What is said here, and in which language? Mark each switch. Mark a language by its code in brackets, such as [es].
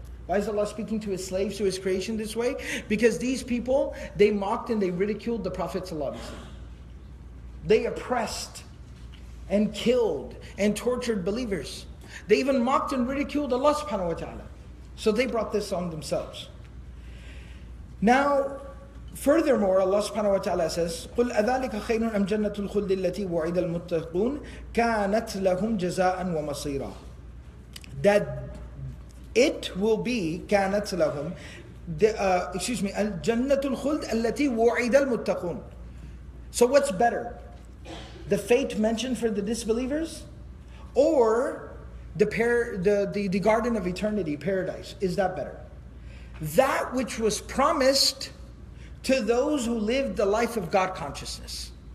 [en] Why is Allah speaking to His slaves, to His creation this way? Because these people, they mocked and they ridiculed the Prophet ﷺ. They oppressed and killed and tortured believers. They even mocked and ridiculed Allah subhanahu wa ta'ala. So they brought this on themselves. Now, furthermore, Allah subhanahu wa ta'ala says, [ar] قُلْ أَذَلِكَ خَيْرٌ أَمْ جَنَّةُ الْخُلْدِ الَّتِي وَعِدَ الْمُتَّقُونَ كَانَتْ لَهُمْ جَزَاءً وَمَصِيرًا. [en] That it will be, [ar] كَانَتْ لَهُمْ, جَنَّةُ الْخُلْدِ الَّتِي وَعِدَ الْمُتَّقُونَ. [en] So what's better? The fate mentioned for the disbelievers? Or the garden of eternity, paradise, is that better? That which was promised to those who lived the life of God consciousness.